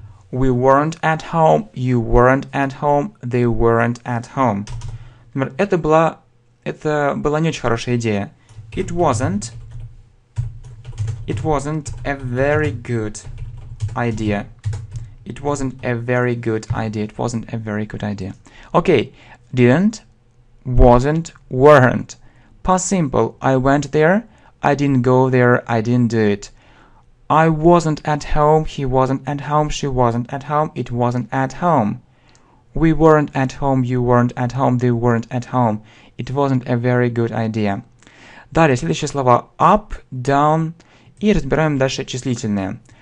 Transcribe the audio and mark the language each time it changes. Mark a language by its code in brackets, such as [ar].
[en] We weren't at home, you weren't at home, they weren't at home. [ru] Например, это была не очень хорошая идея. [en] It wasn't a very good idea. It wasn't a very good idea. It wasn't a very good idea. Okay, didn't, wasn't, weren't. Past simple, I went there, I didn't go there, I didn't do it. I wasn't at home, he wasn't at home, she wasn't at home, it wasn't at home. We weren't at home, you weren't at home, they weren't at home. It wasn't a very good idea. [ru] Далее, следующие слова up, down, и разбираем дальше числительные.